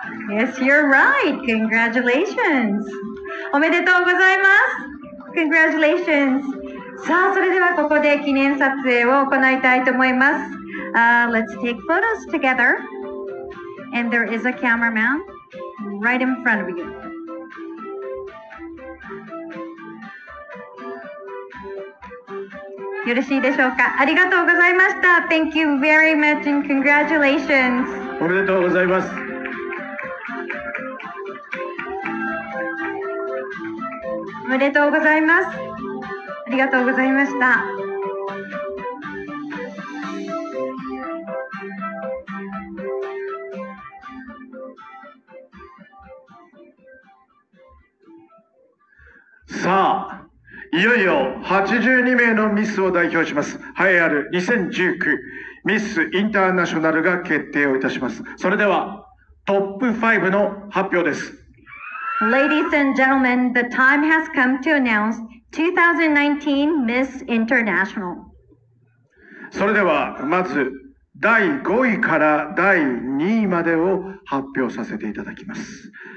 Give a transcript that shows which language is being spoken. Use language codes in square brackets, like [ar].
[en] Yes, you're right. Congratulations. [ja] おめでとうございます。 [en] Congratulations. [ja] さあ、それではここで記念撮影を行いたいと思います。 [en] Let's take photos together. And there is a cameraman right in front of you. [ja] よろしいでしょうか。ありがとうございました。 [en] Thank you very much and congratulations. [ja] おめでとうございます。おめでとうございます。ありがとうございました。さあ、いよいよ82名のミスを代表します栄えある2019ミスインターナショナルが決定をいたします。それではトップ5の発表です。 [en] Ladies and gentlemen, the time has come to announce 2019 Miss International. [ja] それではまず第5位から第2位までを発表させていただきます。